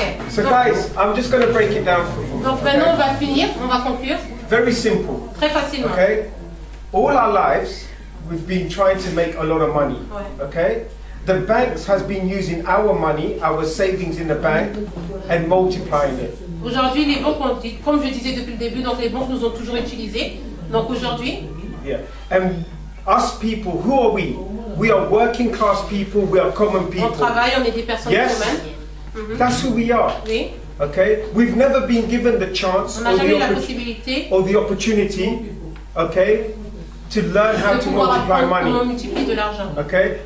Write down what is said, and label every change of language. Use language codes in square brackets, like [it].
[en] So guys, I'm just going to break it down for you. [fr] Donc maintenant, okay? On va finir, on va conclure. [en] Very simple. [fr] Très facilement. [en] Okay. All our lives, we've been trying to make a lot of money. [fr] Ouais. [en] Okay. The banks has been using our money, our savings in the bank, and multiplying it. [fr] Aujourd'hui, les banques, comme je disais depuis le début, donc les banques nous ont toujours utilisé. Donc aujourd'hui. [en] Yeah. And us people, who are we? We are working class people, we are common people. [fr] On travaille, on est des personnes [en] yes? [fr] communes. [en] Mm-hmm. That's who we are. [fr] Oui. [en] Okay? We've never been given the chance or the opportunity, okay, to learn how to multiply money. Okay?